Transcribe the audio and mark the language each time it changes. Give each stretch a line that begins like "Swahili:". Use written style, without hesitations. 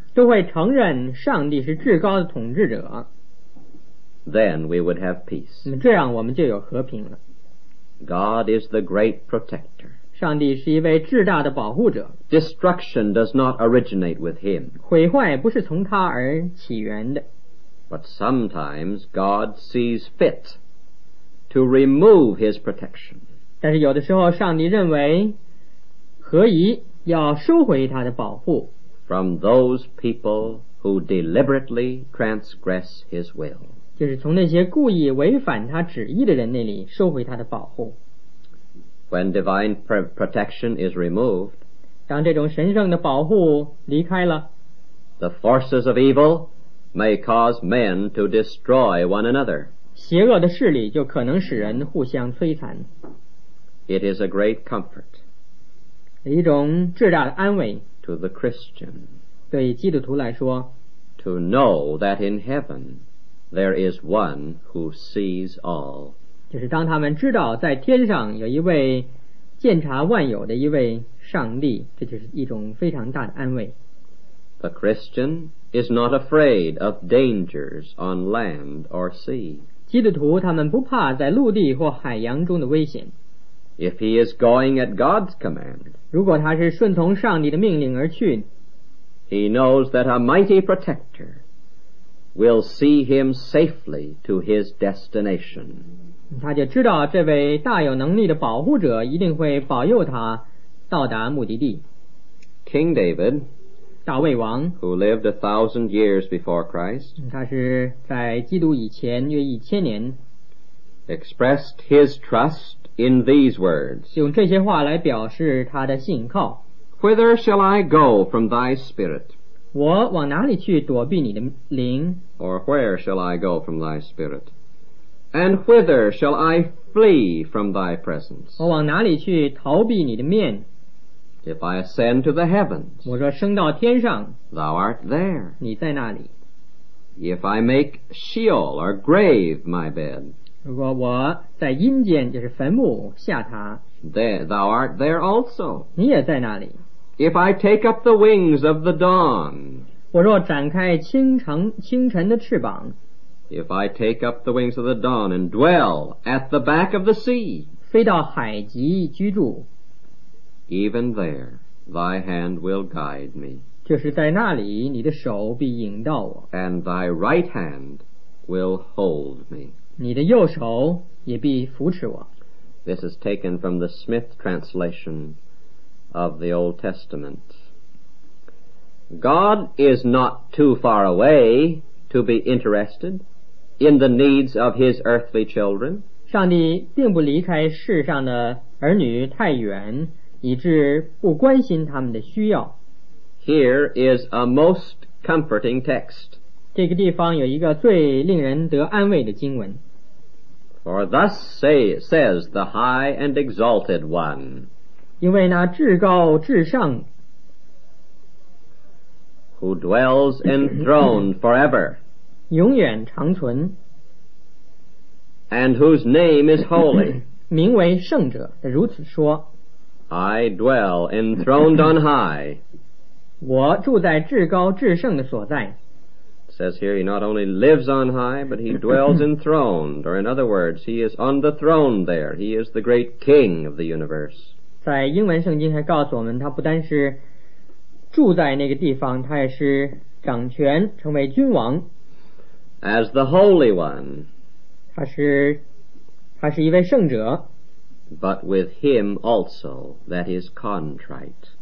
Chinese: 都会承认上帝是至高的统治者。
English: Then we would have peace.
Chinese: 这样我们就有和平了。
English: God is the great protector.
Chinese: 上帝是一位至大的保护者。
English: Destruction does not originate with him.
Chinese: 毁坏不是从他而起源的。
English: But sometimes God sees fit to remove his protection.
Chinese: 但是有的时候上帝认为合宜要收回他的保护。
English: From those people who deliberately transgress his will.
Chinese: 就是从那些故意违反他旨意的人那里收回他的保护。
English: When divine protection is removed,
Chinese: 当这种神圣的保护离开了，
English: The forces of evil may cause men to destroy one another.
Chinese: 邪恶的势力就可能使人互相摧残。
English: It is a great comfort.
Chinese: 一种至大的安慰
English: to the Christian,
Chinese: 对基督徒来说
English: to know that in heaven there is one who sees all,
Chinese: 就是当他们知道在天上有一位鉴察万有的一位上帝，这就是一种非常大的安慰。
English: The Christian is not afraid of dangers on land or sea,
Chinese: 基督徒他们不怕在陆地或海洋中的危险。
English: If he is going at God's command,
Chinese: 如果他是顺从上帝的命令而去，
English: he knows that a mighty protector will see him safely to his destination.
Chinese: 他就知道这位大有能力的保护者一定会保佑他到达目的地。
English: King David,
Chinese: 大卫王，
English: who lived 1,000 years before Christ,
Chinese: 他是在基督以前约一千年，
English: expressed his trust. In these words,
Chinese: 用这些话来表示他的信靠。
English: Whither shall I go from thy spirit?
Chinese: 我往哪里去躲避你的灵？
English: Or where shall I go from thy spirit? And whither shall I flee from thy presence?
Chinese: 我往哪里去逃避你的面？
English: If I ascend to the heavens,
Chinese: 我若升到天上，
English: thou art there.
Chinese: 你在那里。
English: If I make Sheol or grave my bed,
Chinese: 如果我在阴间，就是坟墓下榻，
English: thou art there also.
Chinese: 你也在那里。
English: If I take up the wings of the dawn,
Chinese: 我若展开清晨的翅膀。
English: If I take up the wings of the dawn and dwell at the back of the sea,
Chinese: 飞到海极居住。
English: Even there, thy hand will guide me.
Chinese: 就是在那里，你的手必引导我。
English: And thy right hand will hold me.
Chinese: 你的右手也必扶持我。
English: This is taken from the Smith translation of the Old Testament. God is not too far away to be interested in the needs of his earthly children.
Chinese: 上帝并不离开世上的儿女太远，以致不关心他们的需要。
English: Here is a most comforting text.
Chinese: 这个地方有一个最令人得安慰的经文。
English: For thus says the high and exalted one.
Chinese: 因为那至高至上。
English: Who dwells enthroned forever.
Chinese: 永远长存。
English: And whose name is holy.
Chinese: 名为圣者，如此说。
English: I dwell enthroned on high.
Chinese: 我住在至高至圣的所在。
English: It says here he not only lives on high, but he dwells enthroned, or in other words, he is on the throne there. He is the great king of the universe.
Chinese: 在英文圣经还告诉我们，他不单是住在那个地方，他也是掌权，成为君王。
English: As the Holy One.
Chinese: 他是一位圣者。
English: But with him also that is contrite.